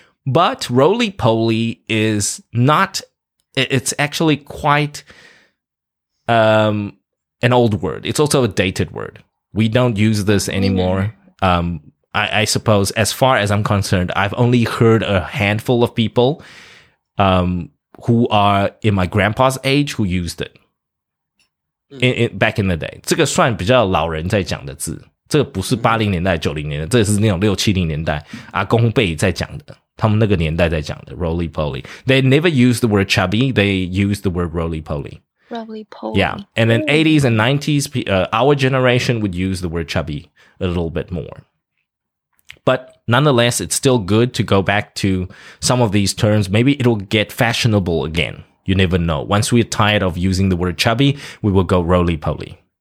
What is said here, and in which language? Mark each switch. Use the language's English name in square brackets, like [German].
[English] But Roly-poly is not, it's actually quite an old word. It's also a dated word. We don't use this anymore.、Mm-hmm. I suppose, as far as I'm concerned, I've only heard a handful of people、who are in my grandpa's age who used it、mm-hmm. Back in the day. [Chinese] 这个算比较老人在讲的字。这个不是80年代、90年代，这是那种六七零年代阿公辈在讲的，他们那个年代在讲的 Roly-poly. [English] They never used the word chubby. They used the word Roly-poly. Roly-poly. Yeah, and then 80s and 90s, our generation would use the word chubby a little bit more. But nonetheless, it's still good to go back to some of these terms. Maybe it'll get fashionable again. You never know. Once we're tired of using the word chubby, we will go roly-poly.